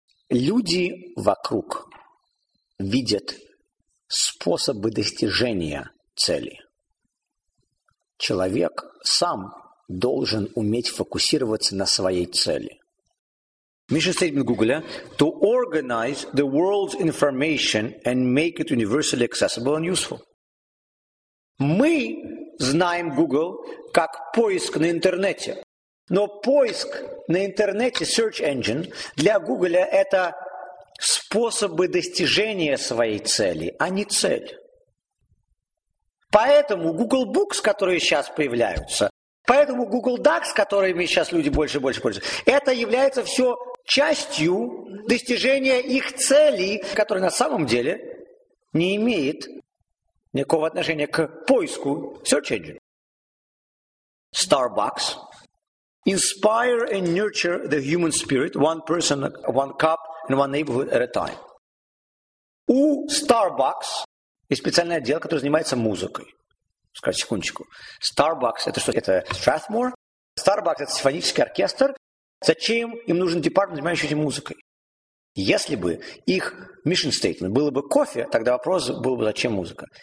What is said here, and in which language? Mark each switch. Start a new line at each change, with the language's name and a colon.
Russian: Люди вокруг видят способы достижения цели. Человек сам должен уметь фокусироваться на своей цели.
English: Mission statement Google – to organize the world's information and make it universally accessible and useful.
Russian: Мы знаем Google как поиск на интернете. Но поиск на интернете, search engine, для Google – это способы достижения своей цели, а не цель. Поэтому Google Books, которые сейчас появляются, поэтому Google Docs, которыми сейчас люди больше и больше пользуются, это является все частью достижения их цели, которая на самом деле не имеет никакого отношения к поиску search engine. Starbucks.
English: Inspire and nurture the human spirit, one person, one cup, and one neighborhood at a time.
Russian: У Starbucks есть специальный отдел, который занимается музыкой. Скажите, секундочку. Starbucks – это что? Это Strathmore? Starbucks – это симфонический оркестр. Зачем им нужен департамент, занимающийся музыкой? Если бы их mission statement было бы кофе, тогда вопрос был бы, зачем музыка?